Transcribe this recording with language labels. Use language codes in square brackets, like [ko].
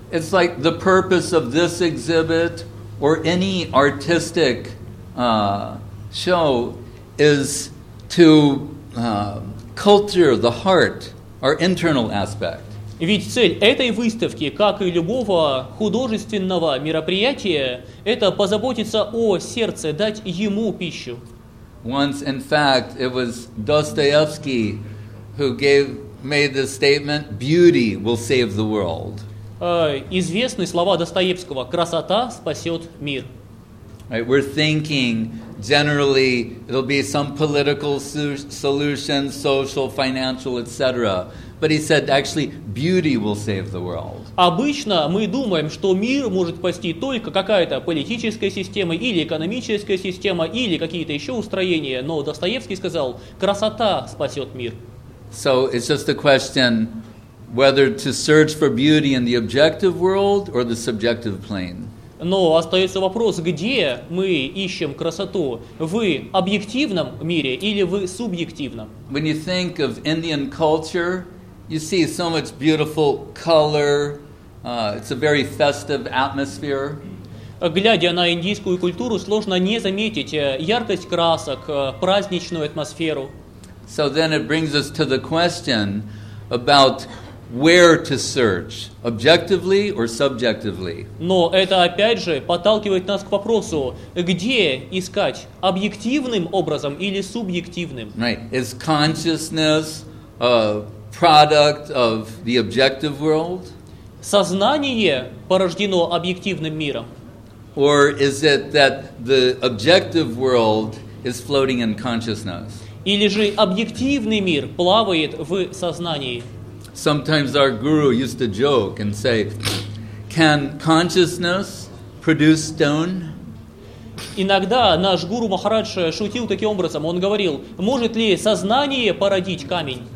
[en] It's like the purpose of this exhibit or any artistic show is to culture the heart, our internal aspect. [ru] Ведь цель этой выставки, как и любого художественного мероприятия, это позаботиться о сердце, дать ему пищу. [en] Once, in fact, it was Dostoevsky who made the statement, "Beauty will save the world." [ru] Известны слова Достоевского: "Красота спасет мир." [en] Right, we're thinking. Generally, it'll be some political solution, social, financial, etc. But he said, actually, beauty will save the world. [ru] Обычно мы думаем, что мир может спасти только какая-то политическая система или экономическая система или какие-то еще устроения. Но Достоевский сказал, красота спасет мир. [en] So it's just a question whether to search for beauty in the objective world or the subjective plane. [ru] Но остается вопрос, где мы ищем красоту? В объективном мире или в субъективном? [en] When you think of Indian culture, you see so much beautiful color. It's a very festive atmosphere. [ru] Глядя на индийскую культуру, сложно не заметить яркость красок, праздничную атмосферу. [en] So then it brings us to the question about where to search, objectively or subjectively? [ru] Но это опять же подталкивает нас к вопросу, где искать, объективным образом или субъективным? [en] Right. Is consciousness a product of the objective world? [ru] Сознание порождено объективным миром. [en] Or is it that the objective world is floating in consciousness? [ru] Или же объективный мир плавает в сознании? [en] Sometimes our guru used to joke and say, "Can consciousness produce stone?" [ru] Иногда наш гуру Махарадж шутил таким образом. Он говорил: "Может ли сознание породить камень?"